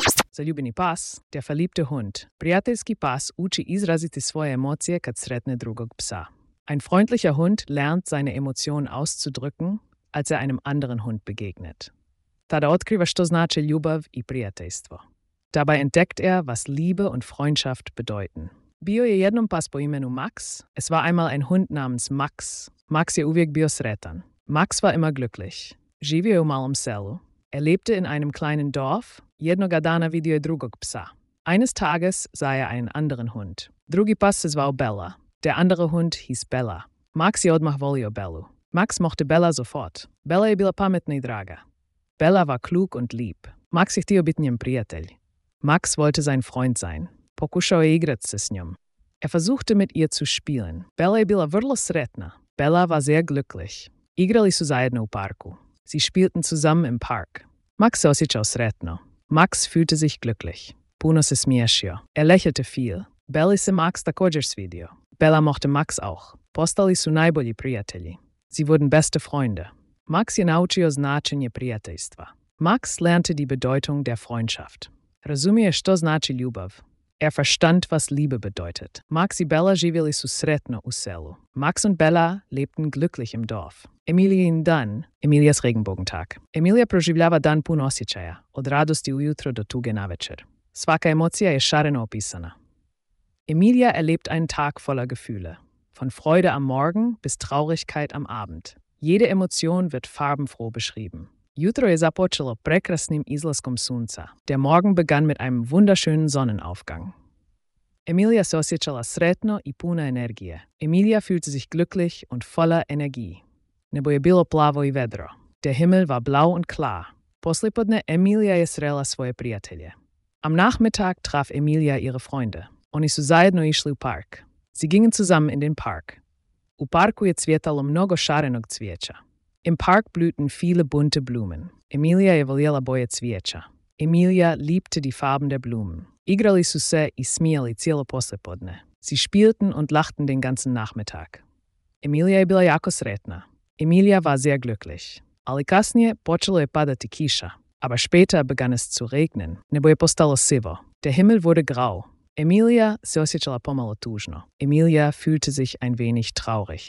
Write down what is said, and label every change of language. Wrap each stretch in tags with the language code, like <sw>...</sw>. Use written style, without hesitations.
<hr>Zaljubeni pas,</hr> <de>der verliebte Hund.</de> <hr>Prijateljski pas uči izraziti svoje emocije kad sretne drugog psa.</hr> <de>Ein freundlicher Hund lernt seine Emotionen auszudrücken, als er einem anderen Hund begegnet.</de> <hr>Tada otkriva što znači ljubav i prijateljstvo.</hr> <de>Dabei entdeckt er, was Liebe und Freundschaft bedeuten.</de> <hr>Bio je jednom pas po imenu Max.</hr> <de>Es war einmal ein Hund namens Max.</de> <hr>Max je uvijek bio sretan.</hr> <de>Max war immer glücklich.</de> <hr>Živio je u malom selu.</hr> <de>Er lebte in einem kleinen Dorf.</de> <hr>Jednoga dana vidio je drugog psa.</hr> <de>Eines Tages sah er einen anderen Hund.</de> <hr>Drugi pas se zvao Bella.</hr> <de>Der andere Hund hieß Bella.</de> <hr>Max je odmah volio Bellu.</hr> <de>Max mochte Bella sofort.</de> <hr>Bella je bila pametna i draga.</hr> <de>Bella war klug und lieb.</de> <hr>Max je htio biti njen prijatelj.</hr> <de>Max wollte sein Freund sein.</de> <hr>Pokušao je igrati se s njom.</hr> <de>Er versuchte mit ihr zu spielen.</de> <hr>Bella je bila vrlo sretna.</hr> <de>Bella war sehr glücklich.</de> <hr>Igrali su zajedno u parku.</hr> <de>Sie spielten zusammen im Park.</de> <hr>Max se osjećao sretno.</hr> <de>Max fühlte sich glücklich.</de> <hr>Puno se smiješio.</hr> <de>Er lächelte viel.</de> <hr>Bella se Max također svidio.</hr> <de>Bella mochte Max auch.</de> <hr>Postali su najbolji prijatelji.</hr> <de>Sie wurden beste Freunde.</de> <hr>Max je naučio značenje prijateljstva.</hr> <de>Max lernte die Bedeutung der Freundschaft.</de> <hr>Razumije što znači ljubav.</hr> <de>Er verstand, was Liebe bedeutet.</de> <hr>Max i Bella živjeli su sretno u selu.</hr> <de>Max und Bella lebten glücklich im Dorf.</de> <hr>Emilijin dan,</hr> <de>Emilijas Regenbogentag.</de> <hr>Emilija proživljava dan pun osjećaja, od radosti ujutro do tuge navečer. Svaka emocija je šareno opisana.</hr> <de>Emilija erlebt einen Tag voller Gefühle. Von Freude am Morgen bis Traurigkeit am Abend. Jede Emotion wird farbenfroh beschrieben.</de> <hr>Jutro je započelo prekrasnim izlaskom sunca.</hr> <de>Der Morgen begann mit einem wunderschönen Sonnenaufgang.</de> <hr>Emilija se osjećala sretno i puna energije.</hr> <de>Emilija fühlte sich glücklich und voller Energie.</de> <hr>Nebo je bilo plavo i vedro.</hr> <de>Der Himmel war blau und klar.</de> <hr>Poslijepodne Emilija je srela svoje prijatelje.</hr> <de>Am Nachmittag traf Emilija ihre Freunde.</de> <hr>Oni su zajedno išli u park.</hr> <de>Sie gingen zusammen in den Park.</de> <hr>U parku je cvjetalo mnogo šarenog cvijeća.</hr> <de>Im Park blühten viele bunte Blumen.</de> <hr>Emilija je voljela boje cvijeća.</hr> <de>Emilija liebte die Farben der Blumen.</de> <hr>Igrali su se i smijali cijelo poslijepodne.</hr> <de>Sie spielten und lachten den ganzen Nachmittag.</de> <hr>Emilija je bila jako sretna.</hr> <de>Emilija war sehr glücklich.</de> <hr>Ali kasnije počelo je padati kiša.</hr> <de>Aber später begann es zu regnen.</de> <hr>Nebo je postalo sivo.</hr> <de>Der Himmel wurde grau.</de> <hr>Emilija se osjećala pomalo tužno.</hr> <de>Emilija fühlte sich ein wenig traurig.</de>